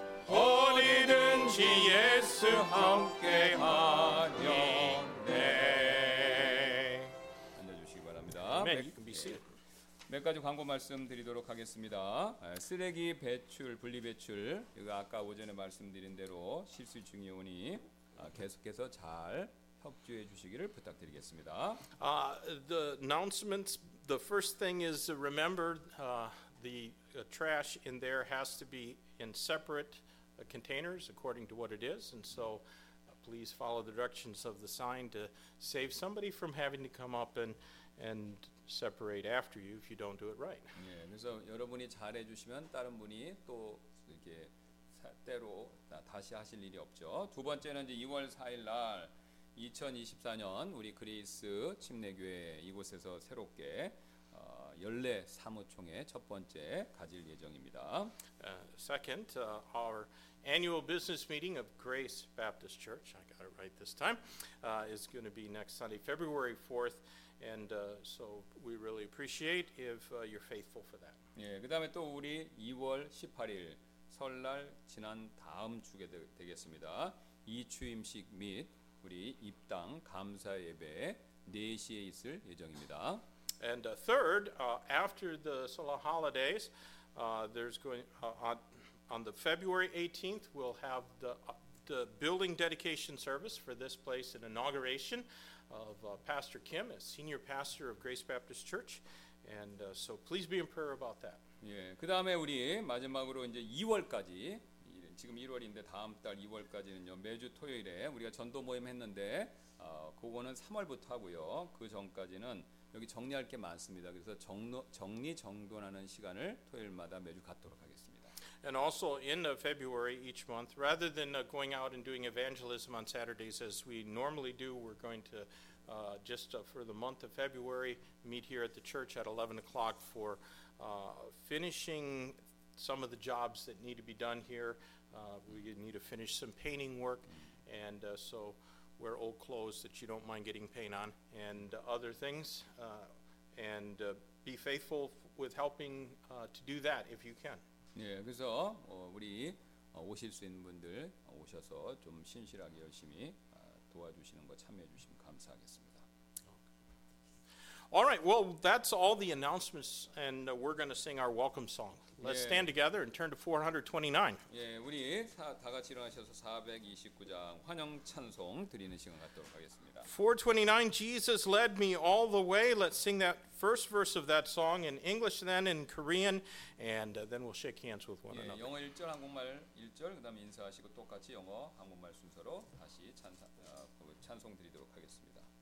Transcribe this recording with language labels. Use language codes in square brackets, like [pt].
[ko] 어디든지 예수 함께 가려네. 앉아주시기 바랍니다. 몇 가지 광고 말씀드리도록 하겠습니다. 쓰레기 배출, 분리배출, 이거 아까 오전에 말씀드린 대로 실수 중이오니 계속해서 잘 협조해 주시기를 부탁드리겠습니다. [en] The announcements, the first thing is to remember the trash in there has to be in separate containers according to what it is, and so please follow the directions of the sign to save somebody from having to come up and separate after you if you don't do it right. [ko] 예, 그래서 여러분이 잘해 주시면 다른 분이 또 이렇게 때로 다시 하실 일이 없죠. 두 번째는 이제 2월 4일 날 2024년 우리 그리스 침례교회 이곳에서 새롭게 연례 사무총회 첫 번째 가질 예정입니다. [en] Second, our annual business meeting of Grace Baptist Church, I got it right this time, is going to be next Sunday, February 4th, and so we really appreciate if you're faithful for that. [ko] 예, 그다음에 또 우리 2월 18일 설날 지난 다음 주에 되겠습니다. 이추임식 및 우리 입당 감사 예배 4시에 있을 예정입니다. [en] And third, after the solemn holidays, there's going on the February 18th, we'll have the building dedication service for this place, an inauguration of Pastor Kim as senior pastor of Grace Baptist Church, and so please be in prayer about that. [ko] 예, 그다음에 우리 마지막으로 이제 2월까지 지금 1월인데 다음 달 2월까지는요 매주 토요일에 우리가 전도 모임 했는데 그거는 3월부터 하고요 그 전까지는 여기 정리할 게 많습니다. 그래서 정리 정돈하는 시간을 토요일마다 매주 갖도록 하겠습니다. [en] And also in February each month, rather than going out and doing evangelism on Saturdays as we normally do, we're going to just for the month of February meet here at the church at 11 o'clock for finishing some of the jobs that need to be done here. We need to finish some painting work, and so wear old clothes that you don't mind getting paint on, and other things, and be faithful with helping to do that if you can. [ko] 예, 그래서 우리 오실 수 있는 분들 오셔서 좀 신실하게 열심히 도와주시는 거 참여해 주시면 감사하겠습니다. [en] All right. Well, that's all the announcements, and we're going to sing our welcome song. Let's stand together and turn to 429. [ko] 예, 우리 다 같이 일어나셔서 429장 환영 찬송 드리는 시간 갖도록 하겠습니다. [en] 429, Jesus led me all the way. Let's sing that first verse of that song in English, then in Korean, and then we'll shake hands with one another. [ko] 영어 1절 한국말 1절 그다음에 인사하시고 똑같이 영어 한국말 순서로 다시 찬송 드리도록 하겠습니다.